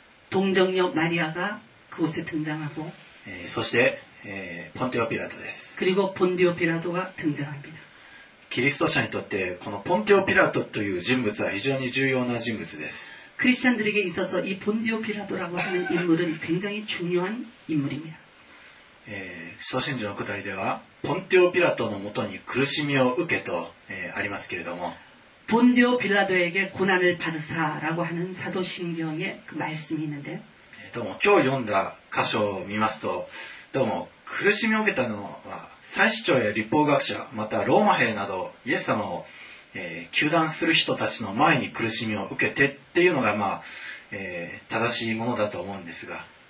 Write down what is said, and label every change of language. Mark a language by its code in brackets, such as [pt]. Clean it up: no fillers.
[ko] 동정녀마리아가그곳에등장하고 [ja] そして、폰테오피라토です [ko] 그리고폰테오피라토가등장합니다 [ja] キリスト者にとってこの폰테오피라토という人物は非常に重要な人物です [ko] 크리스천들에게있어서이폰테오피라토라고하는인물은굉장히중요한인물입니다 [ja] 使徒信条の下りではポンテオピラトのもとに苦しみを受けと、ありますけれども [ko] ポンテオピラト에게고난을받으사라고하는사도신경의그말씀이있는데 [ja] どうも今日読んだ箇所を見ますとどうも苦しみを受けたのは祭司長や律法学者またローマ兵などイエス様を、糾弾する人たちの前に苦しみを受けてっていうのが、まあ正しいものだと思うんですが